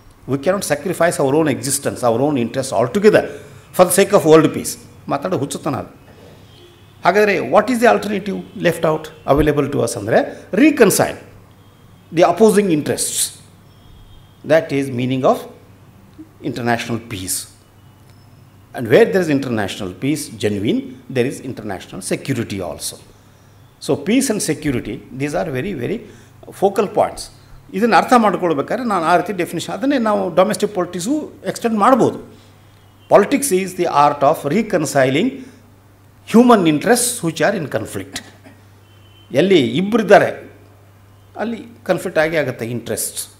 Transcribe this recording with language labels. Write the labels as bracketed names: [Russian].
[English] We cannot sacrifice our own existence, our own interest altogether for the sake of world peace. [Kannada] ಮಾತಾಡೋ ಹುಚ್ಚುತನ ಅದು. [English] ಹಾಗಾದರೆ what is the alternative left out available to us ಅಂದರೆ, reconcile the opposing interests. That is meaning of international peace. And where there is international peace, genuine, there is international security also. So peace and security, these are very, very focal points. [Kannada] ಇದನ್ನು ಅರ್ಥ ಮಾಡ್ಕೊಳ್ಬೇಕಾದ್ರೆ ನಾನು ಆ ರೀತಿ definition ಅದನ್ನೇ ನಾವು domestic politics extend ಮಾಡ್ಬೋದು. [English] Politics is the art of reconciling human interest which are in conflict. [Kannada] ಎಲ್ಲಿ ಇಬ್ಬರಿದ್ದಾರೆ ಅಲ್ಲಿ ಕನ್ಫ್ಲಿಕ್ಟ್ ಆಗಿ ಆಗುತ್ತೆ ಇಂಟ್ರೆಸ್ಟ್.